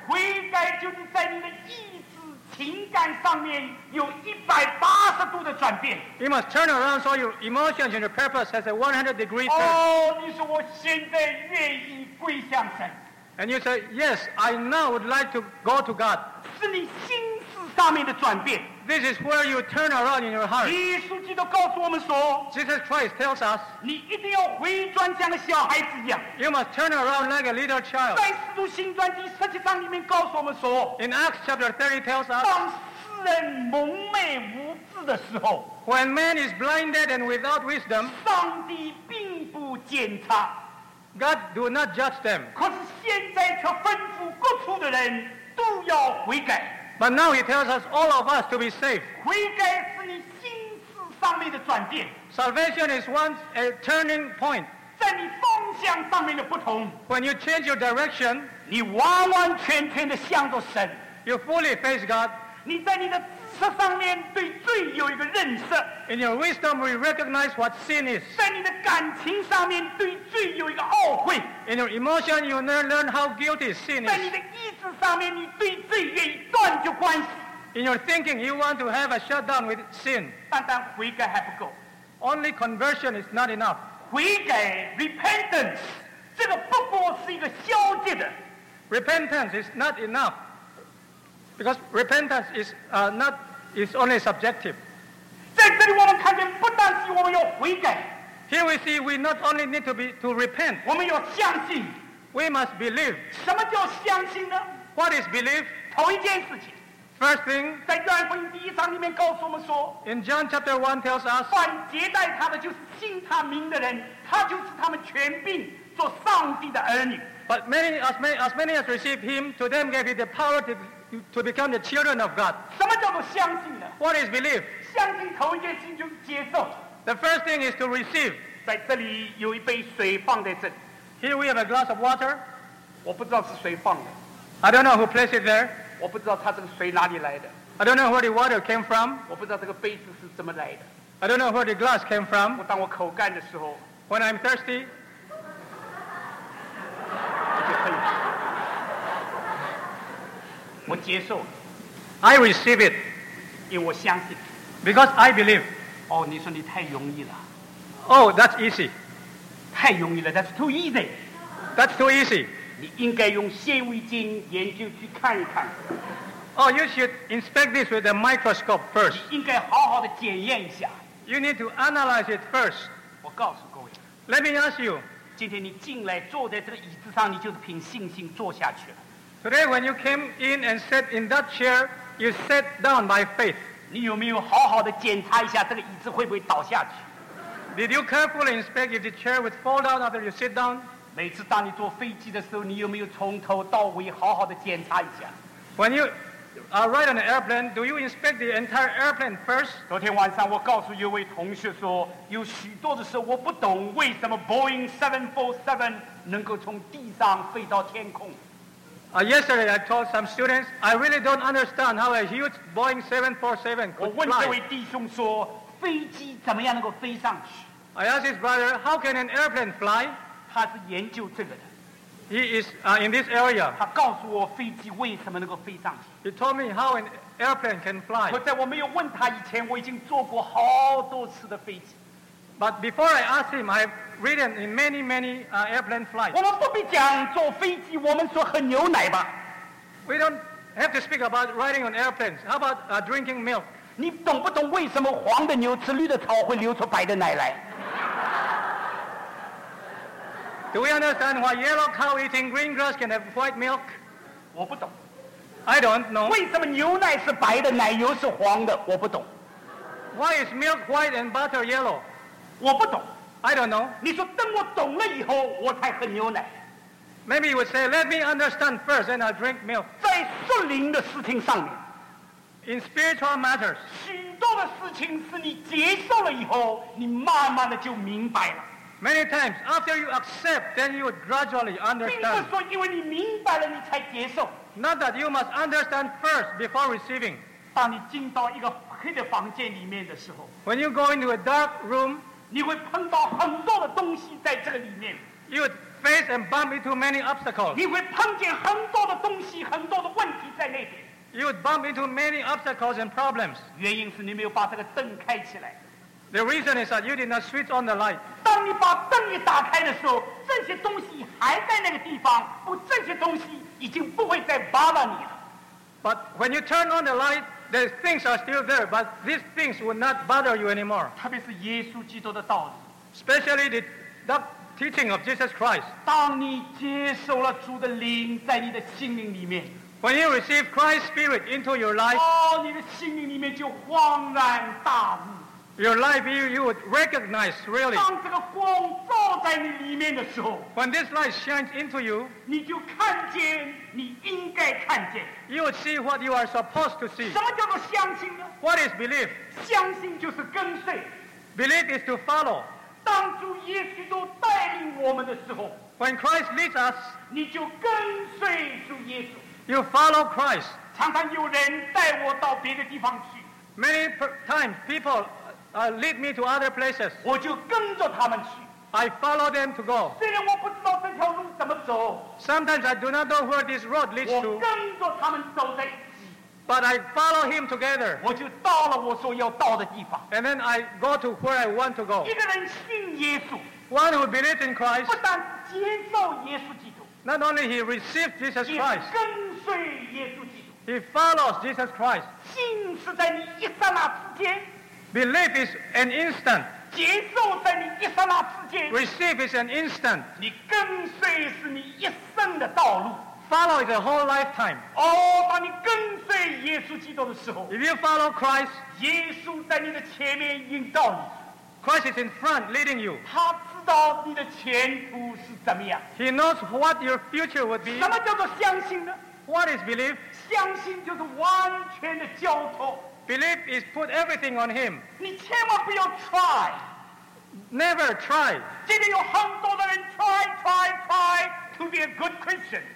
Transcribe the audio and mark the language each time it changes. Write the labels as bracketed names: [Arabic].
[Chinese] 悔改就是在你的意志、情感上面有180度的转变。 [English] You must turn around so your emotions and your purpose has a 100 degree turn. [Chinese] 哦，你说我现在愿意归向神。 [English] And you say, yes, I now would like to go to God. [Chinese] 是你心思上面的转变。 [English] This is where you turn around in your heart. [Chinese] 耶稣基督告诉我们说， [English] Jesus Christ tells us, [Chinese] 你一定要回转像个小孩子一样。 [English] You must turn around like a little child. [Chinese] 在使徒行传第17章里面告诉我们说， [English] In Acts chapter 30 tells us, [Chinese] 当使人蒙昧无知的时候， [English] When man is blinded and without wisdom， [Chinese] 上帝并不检查， [English] God do not judge them。 [Chinese] 可是现在却吩咐各处的人都要悔改。 [English] But now he tells us all of us to be saved。 [Chinese] 悔改是你心思上面的转变。 [English] Salvation is once a turning point。 [Chinese] 在你方向上面的不同， [English] When you change your direction， [Chinese] 你完完全全的向着神， [English] You fully face God。 [Chinese] 你在你的知识上面对罪有一个认识， [English] In your wisdom we recognize what sin is。 [Chinese] 在你的感情上面对罪有一个懊悔， [English] In your emotion you learn how guilty sin is。 [Chinese] 在你的意志上面你对罪愿意断绝关系， [English] In your thinking you want to have a shutdown with sin。 [Chinese] 单单悔改还不够， [English] Only conversion is not enough。 [Chinese] 悔改 repentance， 这个不过是一个消极的。 [English] Repentance is not enough， because repentance is not is only subjective。 [Chinese] 在这里我们看见，不但是我们要悔改。 [English] Here we see we not only need to be to repent， [Chinese] 我们要相信。 [English] We must believe。 [Chinese] 什么叫相信呢？ [English] What is belief？ [Chinese] 头一件事情。 [English] First thing， [Chinese] 在约翰福音第一章里面告诉我们说， [English] In John chapter 1 tells us， [Chinese] 凡接待他的就是信他名的人，他就是他们权柄做上帝的儿女。 [English] But many as received him， to them gave he the power to become the children of God。 [Chinese] 什么叫做相信呢？ [English] What is belief？ [Chinese] 相信头一件事情就是接受。 [English] The first thing is to receive。 [Chinese] 在这里有一杯水放在这里。 [English] Here we have a glass of water。 [Chinese] 我不知道是谁放的。 [English] I don't know who placed it there。 [Chinese] 我不知道他这个水哪里来的。 [English] I don't know where the water came from。 [Chinese] 我不知道这个杯子是怎么来的。 [English] I don't know where the glass came from。 [Chinese] 我当我口干的时候。 [English] When I'm thirsty。 [Chinese] 我接受。 [English] I receive it。 [Chinese] 因为我相信。 [English] Because I believe。 [Chinese] 哦，你说你太容易了。 [English] Oh, that's easy。 [Chinese] 太容易了 [English] ，That's too easy。 That's too easy。 [Chinese] 你应该用显微镜研究去看一看。 [English] Oh, you should inspect this with a microscope first. [Chinese] 你应该好好的检验一下。 [English] You need to analyze it first. [Chinese] 我告诉各位。 [English] Let me ask you. [Chinese] 今天你进来坐在这个椅子上，你就是凭信心坐下去了。 [English] Today when you came in and sat in that chair, you sat down by faith. [Chinese] 你有没有好好的检查一下这个椅子会不会倒下去？ [English] Did you carefully inspect if the chair would fall down after you sit down? [Chinese] 每次当你坐飞机的时候，你有没有从头到尾好好的检查一下？ [English] When you ride on an airplane, do you inspect the entire airplane first? [Chinese] 昨天晚上我告诉一位同学说，有许多的时候我不懂为什么 Boeing 747能够从地上飞到天空。 [English] Yesterday I told some students, I really don't understand how a huge Boeing 747 could fly. [Chinese] 我问这位弟兄说，飞机怎么样能够飞上去？ [English] I asked his brother, how can an airplane fly? [Chinese] 他是研究这个的。 [English] He is in this area. [Chinese] 他告诉我飞机为什么能够飞上去。 [English] He told me how an airplane can fly. [Chinese] 可在我没有问他以前，我已经坐过好多次的飞机。 [English] But before I asked him, I've ridden in many airplane flights. [Chinese] 我们不必讲坐飞机，我们说喝牛奶吧。 [English] We don't have to speak about riding on airplanes. How about drinking milk? [Chinese] 你懂不懂为什么黄的牛吃绿的草会流出白的奶来？ [English] Do we understand why yellow cow eating green grass can have white milk? [Chinese] 我不懂。 [English] I don't know. [Chinese] 为什么牛奶是白的，奶油是黄的？我不懂。 [English] Why is milk white and butter yellow? [Chinese] 我不懂。 [English] I don't know. [Chinese] 你说等我懂了以后，我才喝牛奶。 [English] Maybe you would say, let me understand first, and I'll drink milk. [Chinese] 在属灵的事情上面。 [English] In spiritual matters. [Chinese] 许多的事情是你接受了以后，你慢慢的就明白了。 [English] Many times, after you accept, then you would gradually understand. [Chinese] 并不是说因为你明白了你才接受。 [English] Not that you must understand first before receiving. [Chinese] 当你进到一个黑的房间里面的时候， [English] When you go into a dark room, [Chinese] 你会碰到很多的东西在这个里面。 [English] You would face and bump into many obstacles. [Chinese] 你会碰见很多的东西，很多的问题在那边。 [English] You would bump into many obstacles and problems. [Chinese] 原因是你没有把这个灯开起来。 [English] The reason is that you did not switch on the light. [Chinese] 当你把灯一打开的时候，这些东西还在那个地方，不，这些东西已经不会再bother你了。 [English] But when you turn on the light, the things are still there, but these things will not bother you anymore. [Chinese] 特别是耶稣基督的道理。 [English] Especially the teaching of Jesus Christ. [Chinese] 当你接受了主的灵在你的心灵里面。 [English] When you receive Christ's Spirit into your life, [Chinese] 你的心灵里面就恍然大悟。 [English] Your life, you would recognize really. [Chinese] 当这个光照在你里面的时候， [English] When this light shines into you, [Chinese] 你就看见你应该看见。 [English] You would see what you are supposed to see. [Chinese] 什么叫做相信呢？ [English] What is belief? [Chinese] 相信就是跟随。 [English] Belief is to follow. [Chinese] 当主耶稣都带领我们的时候， [English] When Christ leads us, [Chinese] 你就跟随主耶稣。 [English] You follow Christ. [Chinese] 常常有人带我到别的地方去。 [English] Many times people lead me to other places. [Chinese] 我就跟着他们去。 [English] I follow them to go. [Chinese] 虽然我不知道这条路怎么走。 [English] Sometimes I do not know where this road leads to. [Chinese] 我跟着他们走在一起。 [English] But I follow him together. [Chinese] 我就到了我所要到的地方。 [English] And then I go to where I want to go. [Chinese] 一个人信耶稣。 [English] One who believes in Christ. [Chinese] 不但接受耶稣基督。 [English] Not only he received Jesus Christ. [Chinese] 也跟随耶稣基督。 [English] He follows Jesus Christ. [Chinese] 信是在你一刹那之间。 [English] Belief is an instant. [Chinese] 接受在你一刹那之间。 [English] Receive is an instant. [Chinese] 你跟随是你一生的道路。 [English] Follow is a whole lifetime. [Chinese] 哦，当你跟随耶稣基督的时候。 [English] If you follow Christ, [Chinese] 耶稣在你的前面引导你。 [English] Christ is in front leading you. [Chinese] 他知道你的前途是怎么样。 [English] He knows what your future would be. [Chinese] 什么叫做相信呢？ [English] What is belief? [Chinese] 相信就是完全的交托。 [English] Belief is put everything on him. [Chinese] 你千万不要 try. [English] Never try. [Chinese] 今天有很多的人 [English] try to be a good Christian.